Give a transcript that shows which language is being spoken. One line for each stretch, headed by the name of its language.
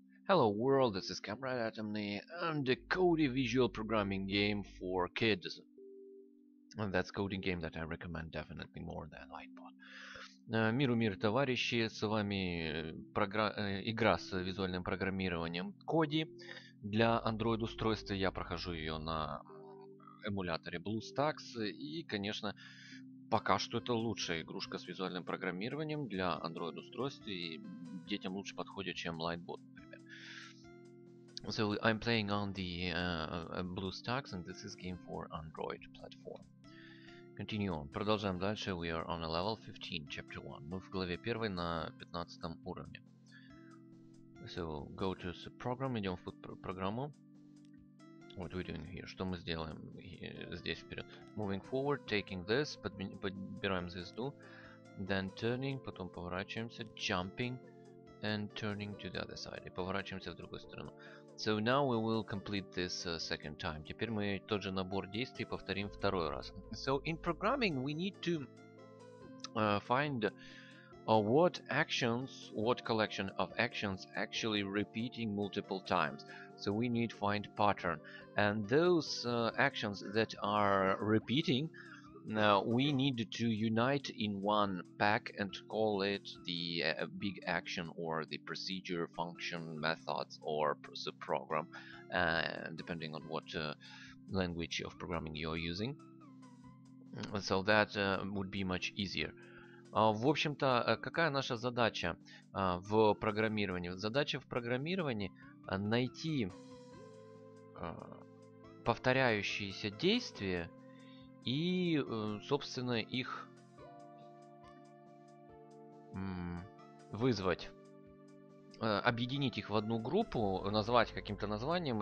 English: Hello world, this is Comrade Atomny, I'm the Cody visual programming game for kids. And that's coding game that I recommend definitely more than Lightbot.
Russian: Миру мир, товарищи, с вами игра с визуальным программированием Cody. Для Android устройства я прохожу ее на эмуляторе BlueStacks. И, конечно, пока что это лучшая игрушка с визуальным программированием для Android устройств. И детям лучше подходит, чем Lightbot.
English: So I'm playing on the BlueStacks, and this is game for Android platform. Continue on.
Russian: Продолжаем дальше.
English: We are on a level 15, chapter 1.
Russian: Мы в главе первой на 15 уровне.
English: So go to the program.
Russian: Идем в программу.
English: What we doing here?
Russian: Что мы сделаем здесь вперед?
English: Moving forward, taking this,
Russian: подбираем звезду,
English: then turning,
Russian: потом поворачиваемся,
English: jumping, and turning to the other side.
Russian: И поворачиваемся в другую сторону.
English: So now we will complete this second time.
Russian: Теперь мы тот же набор действий повторим второй раз.
English: So in programming we need to find what actions, what collection of actions actually repeating multiple times. So we need to find pattern. And those actions that are repeating, we need to unite in one pack and call it the big action or the procedure, function, methods or subprogram, depending on what language of programming you're using. So that would be much easier.
Russian: В общем-то, какая наша задача в программировании? Задача в программировании найти повторяющиеся действия и, собственно, их вызвать, объединить их в одну группу, назвать каким-то названием.